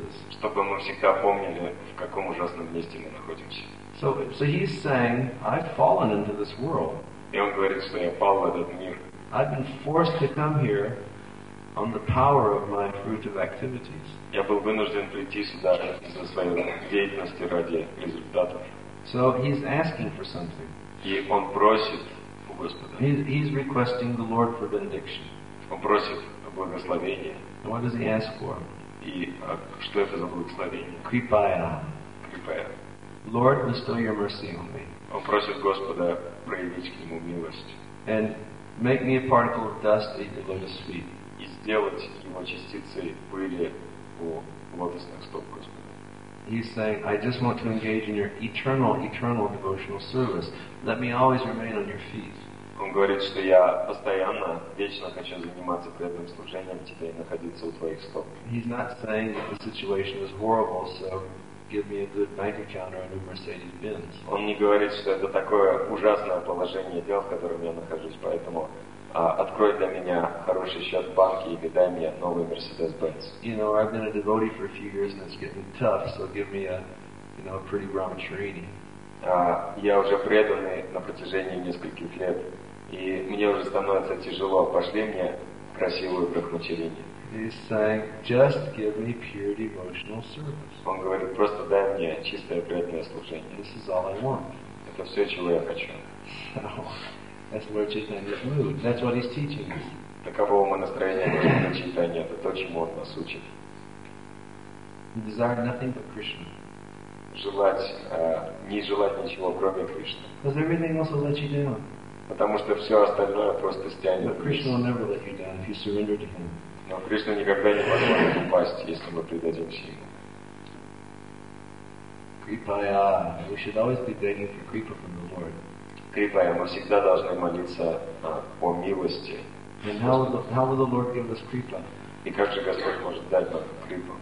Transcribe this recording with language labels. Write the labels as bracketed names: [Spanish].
[Russian] Чтобы мы всегда помнили, в каком ужасном месте мы находимся. [English] So he's saying, I've fallen into this world. [Russian] И он говорит, что я пал в этот мир. [English] I've been forced to come here on the power of my fruitive activities. [Russian] Я был вынужден прийти сюда из-за своей деятельности ради результатов. [English] So he's asking for something. [Russian] И он просит. [English] He's requesting the Lord for benediction. [Russian] Он просит благословения. [English] And what does he ask for? [Russian] И что это за благословение? [Sanskrit] Kripaya. Kripaya. [English] Lord, bestow your mercy on me. [Russian] Он просит Господа проявить к нему милость. [English] And make me a particle of dust at your lotus feet. [Russian] И сделать его частицей пыли у лотосных стоп Господа. [English] He's saying, I just want to engage in your eternal, eternal devotional service. Let me always remain on your feet. [Russian] Он говорит, что я постоянно, вечно хочу заниматься преданным служением тебе и находиться у твоих стоп. [English] He's not saying that the situation is horrible, so give me a good bank account or a new Mercedes Benz. [Russian] Он не говорит, что это такое ужасное положение дел, в котором я нахожусь, поэтому открой для меня хороший счет в банке и дай мне новый Mercedes-Benz. [English] You know, I've been a devotee for a few years and it's getting tough, so give me a, you know, a pretty Brahmacharini. [Russian] Я уже преданный на протяжении нескольких лет, и мне уже становится тяжело. Пошли мне красивую Брахмачарини. [English] He's saying, just give me pure devotional service. [Russian] Он говорит, просто дай мне чистое преданное служение. [English] This is all I want. [Russian] Это все, чего я хочу. [English] So, that's Lord Chaitanya's mood. That's what he's teaching us. [Russian] Таково ему настроение Господа Чайтанья. Это то, чему он нас учит. [English] Desire nothing but Krishna. [Russian] Желать, не желать ничего, кроме Кришны. [English] Because everything else will let you down. [Russian] Потому что все остальное просто стянет. [English] But Krishna will never let you down if you surrender to him. [Russian] Но Кришна никогда не позволит упасть, если мы предадимся ему. [Sanskrit] Kripaya. [English] We should always be begging for Kripa from the Lord. [Russian] Кripaya, мы всегда должны молиться о милости. [English] And how will the Lord give us Kripa? [Russian] И как же Господь может дать нам Kripa?